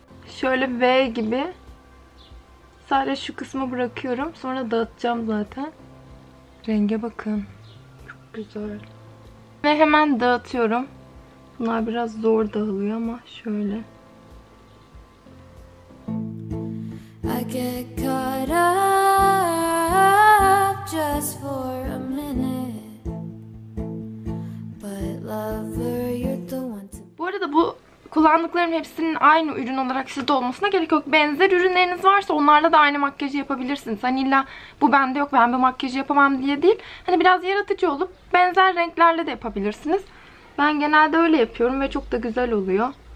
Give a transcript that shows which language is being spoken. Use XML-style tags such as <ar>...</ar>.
<tr>Şöyle V gibi. Sadece şu kısmı bırakıyorum. Sonra dağıtacağım zaten. Renge bakın. Çok güzel. Ve hemen dağıtıyorum. Bunlar biraz zor dağılıyor ama şöyle.</tr> <en>I get caught up just for a minute. But lover, you're the one to...</en> <tr>Bu arada bu kullandıklarım hepsinin aynı ürün olarak sizde olmasına gerek yok. Benzer ürünleriniz varsa onlarla da aynı makyajı yapabilirsiniz. Hani illa bu bende yok, ben bir makyajı yapamam diye değil. Hani biraz yaratıcı olup benzer renklerle de yapabilirsiniz. Ben genelde öyle yapıyorum ve çok da güzel oluyor.</tr>